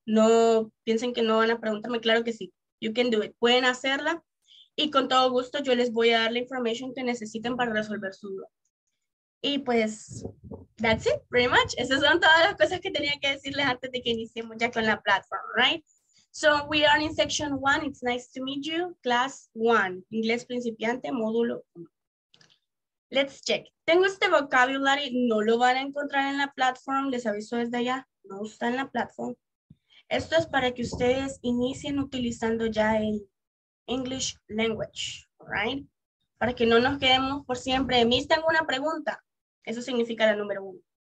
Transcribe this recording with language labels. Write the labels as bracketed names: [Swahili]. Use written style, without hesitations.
[Spanish] No piensen que no van a preguntarme, claro que sí. [English] You can do it. [Spanish] Pueden hacerla. Y con todo gusto yo les voy a dar la información que necesiten para resolver su duda. Y pues, [English] that's it, pretty much. [Spanish] Esas son todas las cosas que tenía que decirles antes de que iniciemos ya con la plataforma, right? [English] So we are in section one, it's nice to meet you. Class one, [Spanish] inglés principiante, módulo uno. [English] Let's check. [Spanish] Tengo este vocabulary, no lo van a encontrar en la plataforma, les aviso desde allá, no está en la plataforma. Esto es para que ustedes inicien utilizando ya el English language, right? Para que no nos quedemos por siempre, Miss, tengo una pregunta. Eso significa la número uno.